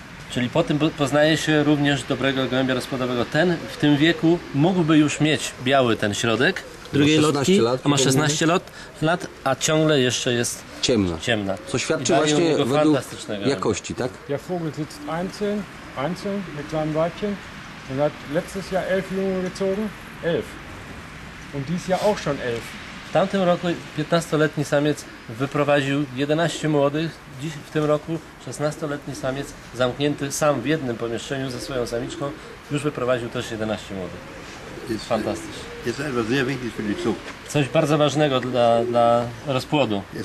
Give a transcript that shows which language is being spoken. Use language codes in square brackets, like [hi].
[pl] Czyli po tym poznaje się również dobrego gołębia rozpłodowego. Ten w tym wieku mógłby już mieć biały ten środek drugiej lotki, a ma 16 lat, a ciągle jeszcze jest ciemna. Co świadczy właśnie według jakości, tak? [de] Der Vogel sitzt einzeln mit seinem Weibchen. Er hat letztes Jahr 11 Jungen gezogen. 11. Und dies Jahr auch schon 11. [pl] W tamtym roku 15-letni samiec wyprowadził 11 młodych, dziś w tym roku 16-letni samiec zamknięty sam w jednym pomieszczeniu ze swoją samiczką już wyprowadził też 11 młodych. Fantastycznie. Coś bardzo ważnego dla rozpłodu.